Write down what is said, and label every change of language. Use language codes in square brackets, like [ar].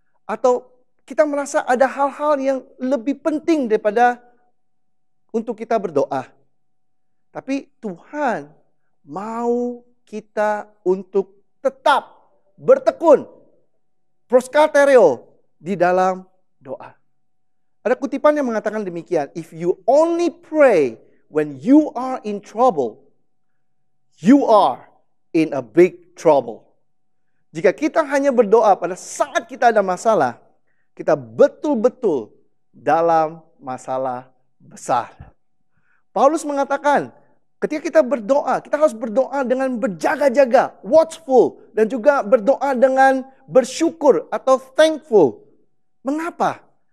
[id] Atau kita merasa ada hal-hal yang lebih penting daripada untuk kita berdoa. Tapi Tuhan mau kita untuk tetap bertekun. Proskartereo di dalam doa. Ada kutipan yang mengatakan demikian. [en] If you only pray when you are in trouble, you are in a big trouble. [id] Jika kita hanya berdoa pada saat kita ada masalah, kita betul-betul dalam masalah besar. Paulus mengatakan, ketika kita berdoa, kita harus berdoa dengan berjaga-jaga, watchful, dan juga berdoa dengan bersyukur atau thankful. Mengapa?